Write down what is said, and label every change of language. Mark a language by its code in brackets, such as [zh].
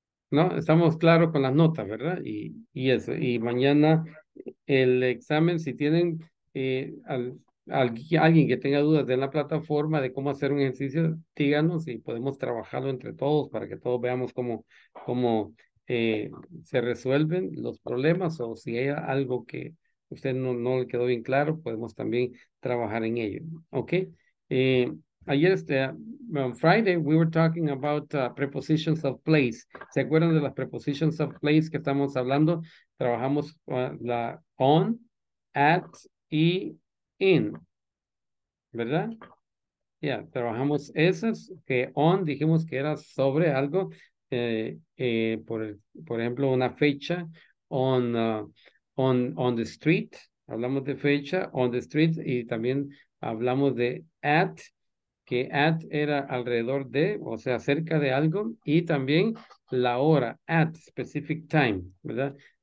[es] No, estamos claros con las notas, ¿verdad? Y eso, y mañana el examen, si tienen alguien que tenga dudas de la plataforma de cómo hacer un ejercicio, díganos y podemos trabajarlo entre todos para que todos veamos cómo se resuelven los problemas, o si hay algo que usted no le quedó bien claro, podemos también trabajar en ello. Ok. Ayer, [en] on Friday, we were talking about prepositions of place. [es] ¿Se acuerdan de las prepositions of place que estamos hablando? Trabajamos la on, at y in, ¿verdad? Ya, yeah, trabajamos eso, que on dijimos que era sobre algo, por ejemplo, una fecha, [en] on the street, [es] hablamos de fecha, on the street, y también hablamos de at, que at era alrededor de, o sea, cerca de algo, y también la hora, [en] at, specific time, [es] ¿verdad?